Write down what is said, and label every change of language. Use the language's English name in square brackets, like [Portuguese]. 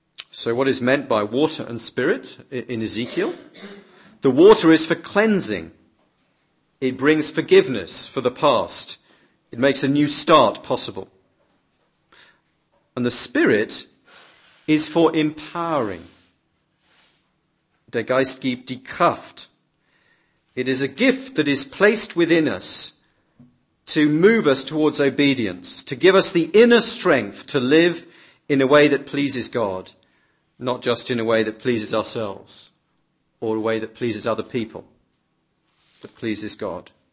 [English] So what is meant by water and spirit in Ezekiel? The water is for cleansing, It brings forgiveness for the past. It makes a new start possible. And the Spirit is for empowering. [German] Der Geist gibt die Kraft. [English] It is a gift that is placed within us to move us towards obedience, to give us the inner strength to live in a way that pleases God, not just in a way that pleases ourselves or a way that pleases other people, that pleases God.